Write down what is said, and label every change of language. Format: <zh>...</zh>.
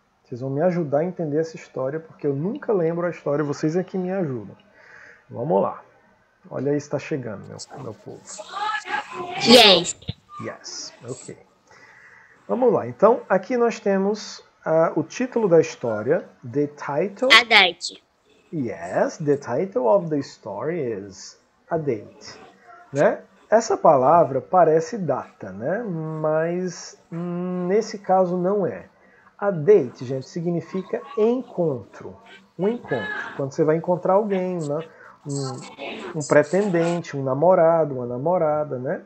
<pt>Vocês vão me ajudar a entender essa história, porque eu nunca lembro a história, vocês é que me ajudam. Vamos lá. Olha aí, está chegando, meu povo.</pt> <en>Yes. Yes.</en> <pt>Ok. Vamos lá. Então, aqui nós temos o título da história, the title. Adite.</pt> <en>Yes, the title of the story is a date.</en> <pt>Né? Essa palavra parece data, né? Mas nesse caso não é. A date, gente, significa encontro. Um encontro. Quando você vai encontrar alguém, né? Um pretendente, um namorado, uma namorada, né?</pt>